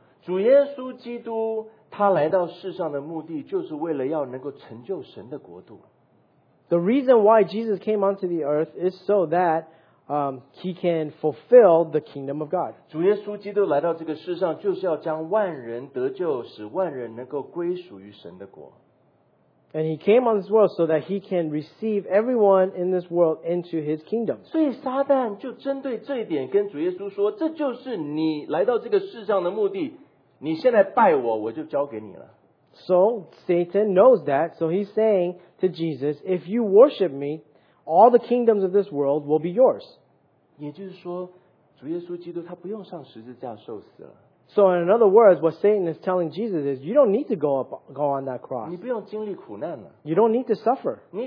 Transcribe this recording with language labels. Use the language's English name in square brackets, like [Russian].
[Chinese] 主耶稣基督他来到世上的目的就是为了要能够成就神的国度。 [English] The reason why Jesus came onto the earth is so that he can fulfill the kingdom of God. [Chinese] 主耶稣基督来到这个世上就是要将万人得救，使万人能够归属于神的国。 [English] And he came on this world so that he can receive everyone in this world into his kingdom. [Chinese] 所以撒旦就针对这一点跟主耶稣说，这就是你来到这个世上的目的，你现在拜我，我就交给你了。 [English] So Satan knows that, so he's saying to Jesus, if you worship me,all the kingdoms of this world will be yours. [Chinese] 也就是说，主耶稣基督他不用上十字架受死了。 [English] So in other words, what Satan is telling Jesus is, you don't need to go on that cross. You don't need to suffer.